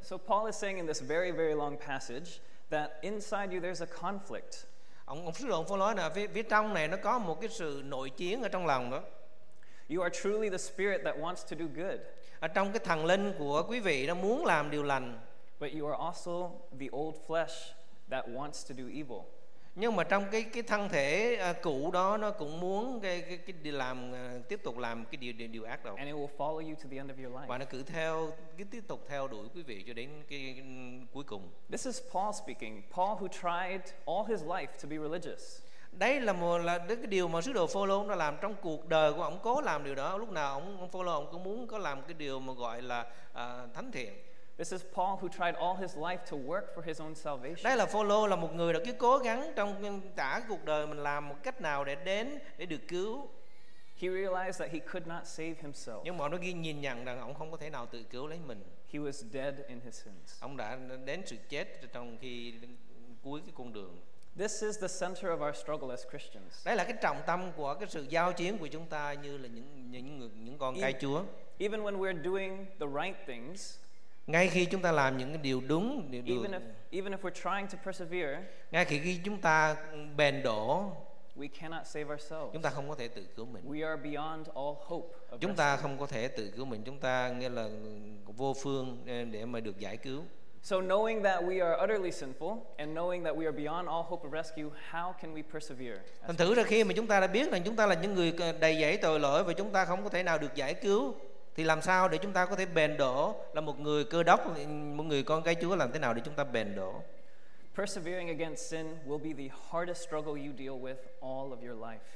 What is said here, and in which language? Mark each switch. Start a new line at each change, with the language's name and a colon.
English: So Paul is saying in this very very long passage that inside you there's a conflict.
Vietnamese: Ông sứ đồ Phaolô nói là phía trong này nó có một cái sự nội chiến ở trong lòng đó.
English: You are truly the spirit that wants to do good.
Vietnamese: Ở trong cái thần linh của quý vị nó muốn làm điều lành.
English: But you are also the old flesh that wants to do evil.
Vietnamese: Nhưng mà trong cái thân thể cũ đó nó cũng muốn cái làm tiếp tục làm cái điều ác độc.
English: And it will follow you to the end of your life.
Vietnamese: Và nó cứ theo cái tiếp tục theo đuổi quý vị cho đến cái cuối cùng.
English: This is Paul speaking. Paul who tried all his life to be religious.
Vietnamese: Đây là một là cái điều mà sứ đồ Phaolô đã làm trong cuộc đời của ông, cố làm điều đó. Lúc nào ông Phaolô cũng muốn có làm cái điều mà gọi là thánh thiện.
English: This is Paul who tried all his life to work for his own salvation.
Vietnamese: Đây là Phaolô, là một người đã cứ cố gắng trong cả cuộc đời mình làm một cách nào để đến để được cứu.
English: He realized that he could not save himself.
Vietnamese: Nhưng mà nó ghi nhìn nhận rằng ông không có thể nào tự cứu lấy mình.
English: He was dead in his sins.
Vietnamese: Ông đã đến sự chết trong khi cuối cái con đường.
English: This is the center of our struggle as Christians.
Vietnamese: Đây là cái trọng tâm của cái sự giao chiến của chúng ta như là những con cái Chúa.
English: Even when we're doing the right things,
Vietnamese: ngay khi chúng ta làm những cái điều đúng, điều được,
English: even if we're trying to persevere,
Vietnamese: ngay khi chúng ta bền đổ,
English: we cannot save ourselves.
Vietnamese: Chúng ta không có thể tự cứu mình.
English: We are beyond all hope.
Vietnamese: Chúng ta không có thể tự cứu mình. Chúng ta nghĩa là vô phương để mà được giải cứu.
English: So knowing that we are utterly sinful and knowing that we are beyond all hope of rescue, how can we persevere?
Vietnamese: Thành thử ra khi mà chúng ta đã biết rằng chúng ta là những người đầy dẫy tội lỗi và chúng ta không có thể nào được giải cứu, thì làm sao để chúng ta có thể bền đổ, là một người cơ đốc, một người con cái Chúa, làm thế nào để chúng ta bền đổ?
English: Persevering against sin will be the hardest struggle you deal with all of your life.